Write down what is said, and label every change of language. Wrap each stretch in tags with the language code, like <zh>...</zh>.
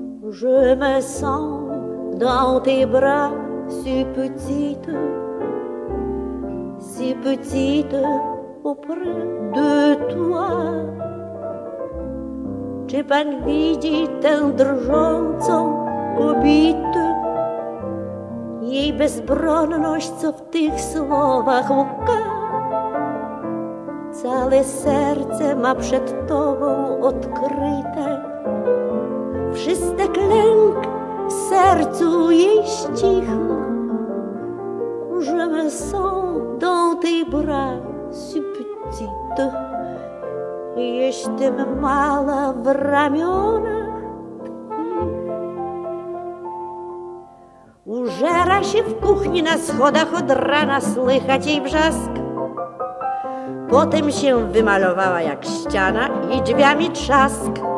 <fr>Je me sens dans tes bras, si petite auprès de toi.</fr> <pl>C'è pan widzi tę drżącą kobietę, jej bezbronność, co w tych słowach łka. Całe serce ma przed tobą odkryte, wszystek lęk w sercu jej ścichł.</pl> <fr>Je me sens dans tes bras, si petite.</fr> <pl>Jestem mała w ramionach. Użera się w kuchni na schodach od rana, słychać jej brzask. Potem się wymalowała jak ściana i drzwiami trzask.</pl>